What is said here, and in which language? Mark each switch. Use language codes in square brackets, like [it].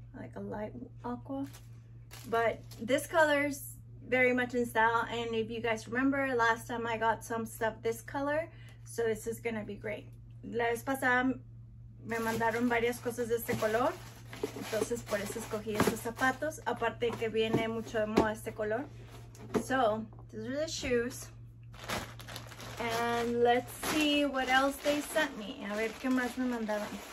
[en] Like a light aqua, but this color is very much in style. And if you guys remember, last time I got some stuff this color, so this is gonna be great. [es] La vez pasada me mandaron varias cosas de este color, entonces por eso escogí estos zapatos. Aparte que viene mucho de moda este color. [en] So these are the shoes, and let's see what else they sent me. [es] A ver qué más me mandaron.